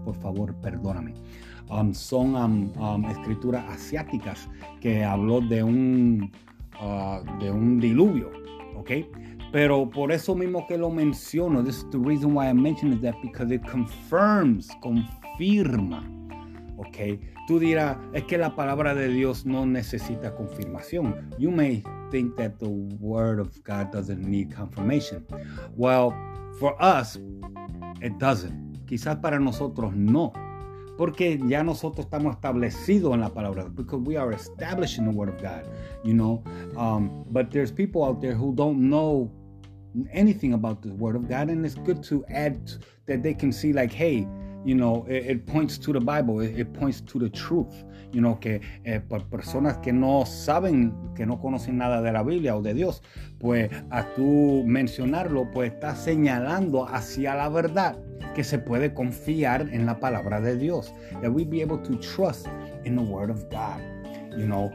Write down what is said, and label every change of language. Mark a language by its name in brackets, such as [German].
[Spanish] Por favor, perdóname. Son escrituras asiáticas que habló de un diluvio, ¿ok? Pero por eso mismo que lo menciono, [English] this is the reason why I mention it, that because it confirma, ok? [Spanish] Tú dirás, es que la palabra de Dios no necesita confirmación. [English] You may think that the Word of God doesn't need confirmation. Well, for us, it doesn't. [Spanish] Quizás para nosotros no. Porque ya nosotros estamos establecidos en la palabra. [English] Because we are established in the Word of God, you know. But there's people out there who don't know anything about the Word of God, and it's good to add that they can see, like, hey, you know, it points to the Bible, it points to the truth, you know, [Spanish] que personas que no saben, que no conocen nada de la Biblia o de Dios, [English] pues a tú mencionarlo, pues está señalando hacia la verdad, que se puede confiar en la palabra de Dios, that we be able to trust in the Word of God. you know.